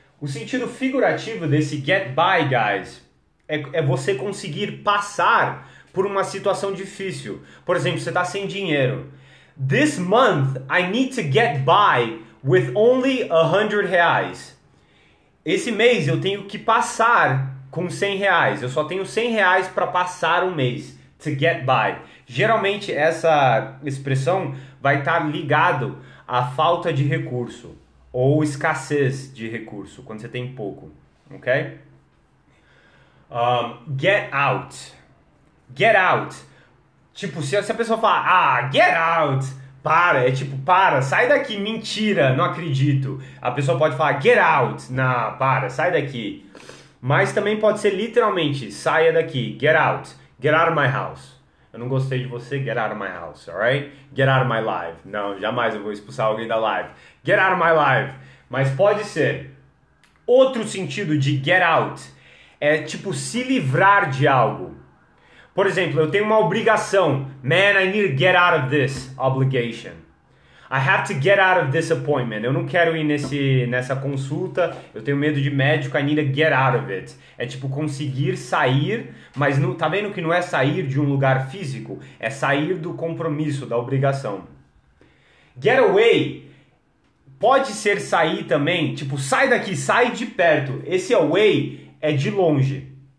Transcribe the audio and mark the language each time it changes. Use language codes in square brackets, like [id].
[pt] O sentido figurativo desse get by, guys, é você conseguir passar por uma situação difícil. Por exemplo, você está sem dinheiro. [en] This month I need to get by with only R$ 100. [pt] Esse mês eu tenho que passar com R$ 100. Eu só tenho R$ 100 para passar um mês. To get by. Geralmente essa expressão vai estar ligado à falta de recurso. Ou escassez de recurso, quando você tem pouco, ok? Get out. Get out. Tipo, se a pessoa falar, ah, get out, para, é tipo, para, sai daqui, mentira, não acredito. A pessoa pode falar, get out, não, para, sai daqui. Mas também pode ser literalmente, saia daqui, [en] get out of my house. [pt] Eu não gostei de você, [en] get out of my house, alright? Get out of my life. [pt] Não, jamais eu vou expulsar alguém da live. [en] Get out of my life. [pt] Mas pode ser. Outro sentido de get out é tipo se livrar de algo. Por exemplo, eu tenho uma obrigação. [en] Man, I need to get out of this obligation. I have to get out of this appointment. [pt] Eu não quero ir nessa consulta. Eu tenho medo de médico. [en] I need to get out of it. [pt] É tipo conseguir sair, mas não, tá vendo que não é sair de um lugar físico? É sair do compromisso, da obrigação. Get away pode ser sair também. Tipo, sai daqui, sai de perto. Esse away é de longe.